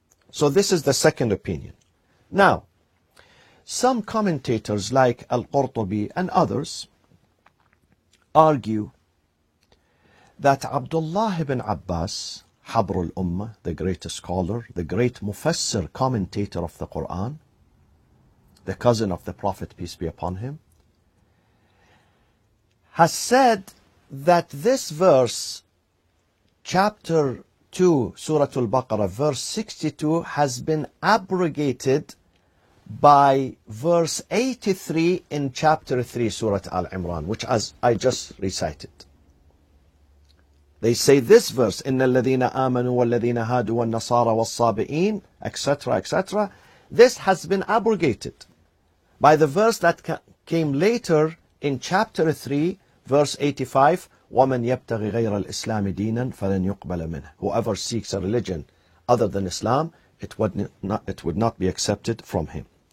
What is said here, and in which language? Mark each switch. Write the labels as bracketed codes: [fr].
[en] So this is the second opinion. Now, some commentators like Al-Qurtubi and others argue that Abdullah ibn Abbas, Habr al-Ummah, the great scholar, the great mufassir, commentator of the Quran, the cousin of the Prophet, peace be upon him, has said that this verse, chapter 62, Surah Al-Baqarah, verse 62 has been abrogated by verse 83 in chapter 3, Surah Al-Imran, which as I just recited. They say this verse, [ar] إِنَّ الَّذِينَ آمَنُوا وَالَّذِينَ هَادُوا وَالنَّصَارَ وَالصَّابِئِينَ, [en] etc., etc. This has been abrogated by the verse that came later in chapter 3, verse 85, [ar] وَمَنْ يَبْتَغِ غَيْرَ الْإِسْلَامِ دِينًا فَلَنْ يُقْبَلَ مِنْهُ. [en] Whoever seeks a religion other than Islam, it would not be accepted from him.